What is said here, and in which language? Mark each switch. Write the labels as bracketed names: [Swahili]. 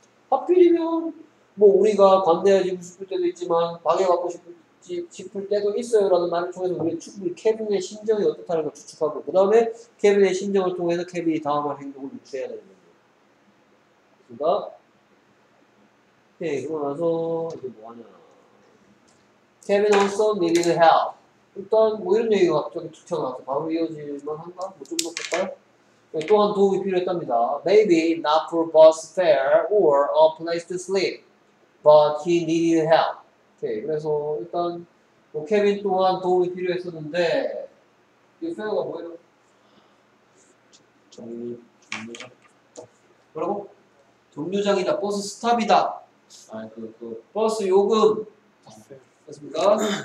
[Korean] 하필이면 뭐 우리가 관대해지고 싶을 때도 있지만 방해받고 싶을 때도 있어요 라는 말을 통해서 우리는 충분히 케빈의 심정이 어떻다는 걸 추측하고 그 다음에 케빈의 심정을 통해서 케빈이 다음 할 행동을 유추해야 되는 거죠. 그니까 네 그러고 나서 이제 뭐하냐 케빈 [English] also needed help. [Korean] 일단 뭐 이런 얘기가 갑자기 튀쳐나와서 바로 이어질만 한가? 뭐 좀 더 볼까요? 네, 또한 도움이 필요했답니다. [English] Maybe not for bus fare or a place to sleep, but he needed help. [Korean] 오케이, 그래서 일단 뭐 케빈 또한 도움이 필요했었는데 이 페어가 뭐예요? 정류장. 뭐라고? 정류장이다, 버스 스탑이다. 아니 그 버스 요금. 맞습니까?